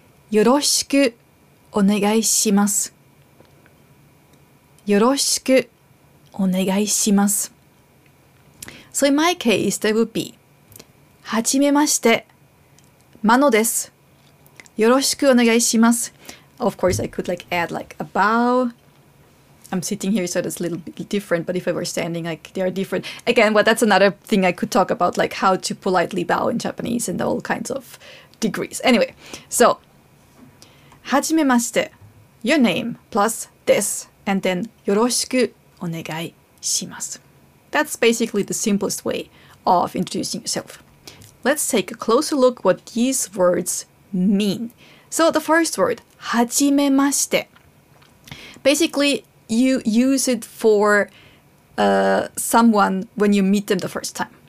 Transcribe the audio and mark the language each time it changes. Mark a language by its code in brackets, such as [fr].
[ja] よろしくお願いします。よろしくお願いします。 [en] So in my case, there would be [ja] はじめまして、マノです。よろしくお願いします。 [en] Of course, I could like add like a bow. I'm sitting here, so it's a little bit different, but if I were standing, like, they are different. Again, well, that's another thing I could talk about, like how to politely bow in Japanese and all kinds of... degrees. Anyway, so, [ja] はじめまして, [en] your name plus this, and then [ja] よろしくお願いします. [en] That's basically the simplest way of introducing yourself. Let's take a closer look what these words mean. So the first word, [ja] はじめまして. [en] Basically, you use it for someone when you meet them the first time.